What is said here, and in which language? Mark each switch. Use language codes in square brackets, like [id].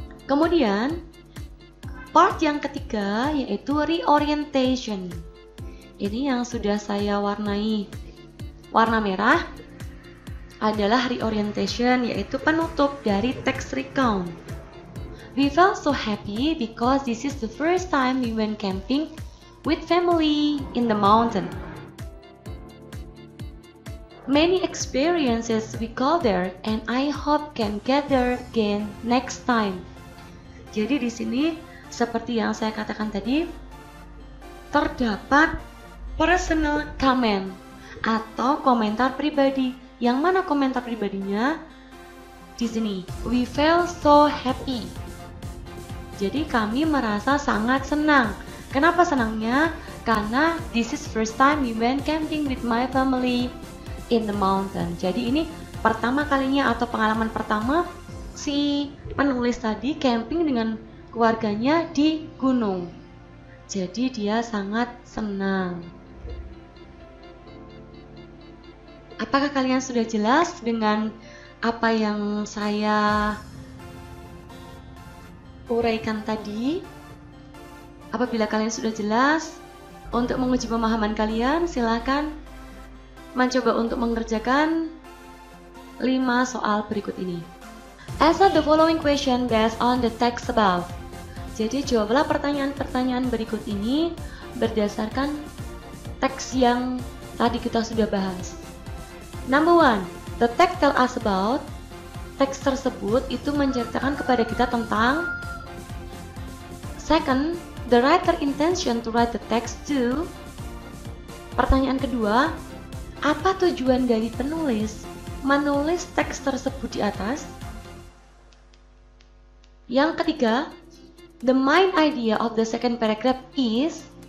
[id] Kemudian, part yang ketiga yaitu reorientation. Ini yang sudah saya warnai warna merah adalah reorientation, yaitu penutup dari text recount. [en] We felt so happy because this is the first time we went camping with family in the mountain. Many experiences we got there and I hope can get there again next time. [id] Jadi di sini seperti yang saya katakan tadi, terdapat personal comment atau komentar pribadi. Yang mana komentar pribadinya? Di sini, [en] we felt so happy. [id] Jadi kami merasa sangat senang. Kenapa senangnya? [en] Karena this is first time we went camping with my family in the mountain. [id] Jadi ini pertama kalinya atau pengalaman pertama si penulis tadi camping dengan keluarganya di gunung. Jadi dia sangat senang. Apakah kalian sudah jelas dengan apa yang saya uraikan tadi? Apabila kalian sudah jelas, untuk menguji pemahaman kalian, silakan mencoba untuk mengerjakan 5 soal berikut ini. [en] Answer the following question based on the text above. [id] Jadi jawablah pertanyaan-pertanyaan berikut ini berdasarkan teks yang tadi kita sudah bahas. [en] Number one, the text tell us about. [id] Teks tersebut itu menceritakan kepada kita tentang. [en] Second, the writer intention to write the text to. [id] Pertanyaan kedua, apa tujuan dari penulis menulis teks tersebut di atas? Yang ketiga, [en] the main idea of the second paragraph is.